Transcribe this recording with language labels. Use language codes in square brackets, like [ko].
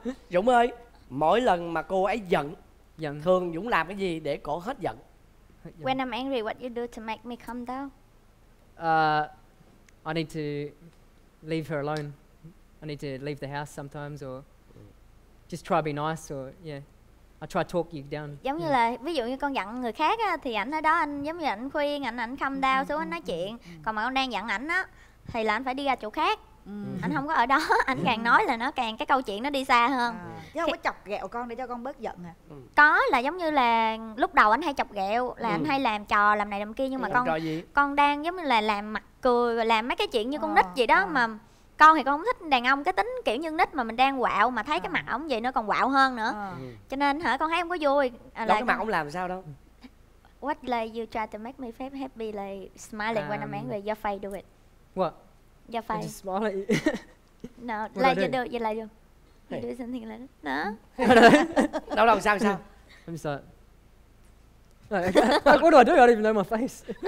[vi] Dũng ơi, mỗi lần mà cô ấy giận, giận, thường Dũng làm cái gì để cổ hết giận? [en] When I'm angry, what you do to make me calm down? I need to leave her alone. I need to leave the house sometimes or just try to be nice or yeah. I try to talk you down. [vi] Giống như là ví dụ như con giận người khác á, thì ảnh ở đó anh giống như ảnh khuyên, ảnh calm down xuống, ảnh nói chuyện. Còn mà con đang giận ảnh á thì là anh phải đi ra chỗ khác. Anh không có ở đó, anh càng nói là nó càng cái câu chuyện nó đi xa hơn. Chứ không có chọc ghẹo con để cho con bớt giận à? Có, là giống như là lúc đầu anh hay chọc ghẹo là anh hay làm trò làm này làm kia, nhưng mà con đang giống như là làm mặt cười, làm mấy cái chuyện như con nít vậy đó. Mà con thì con không thích đàn ông cái tính kiểu như nít, mà mình đang quạo mà thấy cái mặt ổng vậy nó còn quạo hơn nữa. Cho nên hả, con thấy không có vui. Là cái mặt ổng làm sao đâu. [en] What like you try to make me happy, like smiling when I'm angry, your face do it. What? Your face. Just smile at you. No, what like you do, you like you. You do something like that. No. [vi] Đâu đâu sao sao? [en] I'm sorry. Like, what do I do? I don't even know my face.